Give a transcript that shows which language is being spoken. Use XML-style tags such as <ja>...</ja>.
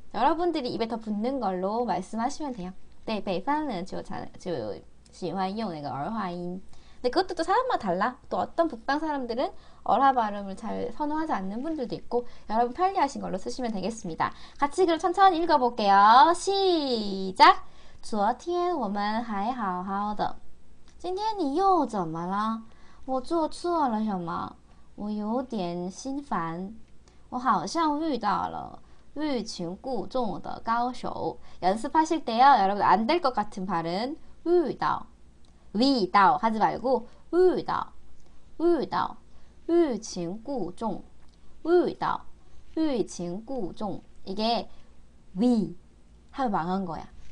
<ko>여러분들이 입에 더 붙는 걸로 말씀하시면 돼요. 네,</ko> <zh>北方人 就喜欢用那个儿化音.</zh> <ko>근데 그것도 또 사람마다 달라. 또 어떤 북방 사람들은 어라 발음을 잘 선호하지 않는 분들도 있고 여러분 편리하신 걸로 쓰시면 되겠습니다. 같이 그럼 천천히 읽어볼게요. 시작.</ko> <zh>昨天我们还好好的，今天你又怎么了？我做错了什么？我有点心烦，我好像遇到了欲擒故纵的高手。</zh> <ko>연습하실 때요, 여러분 안될것 같은 발음 위다오 하지 말고 위다오 위다오 위擒故纵 이게 위 하면 망한 거야.</ko>